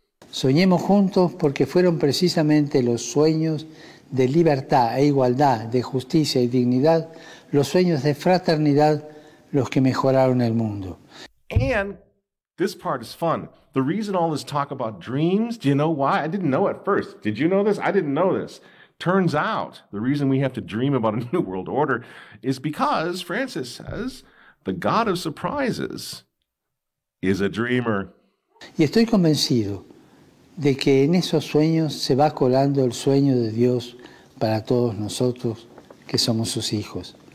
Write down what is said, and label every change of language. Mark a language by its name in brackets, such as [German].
[Spanish] Soñemos juntos porque fueron precisamente los sueños de libertad e igualdad, de justicia y dignidad, los sueños de fraternidad los que mejoraron el mundo. [English] And this part is fun. The reason all this talk about dreams, do you know why? I didn't know at first. Did you know this? I didn't know this. Turns out, the reason we have to dream about a new world order is because, Francis says, the God of surprises is a dreamer. [Spanish] Y estoy convencido de que en esos sueños se va colando el sueño de Dios para todos nosotros que somos sus hijos.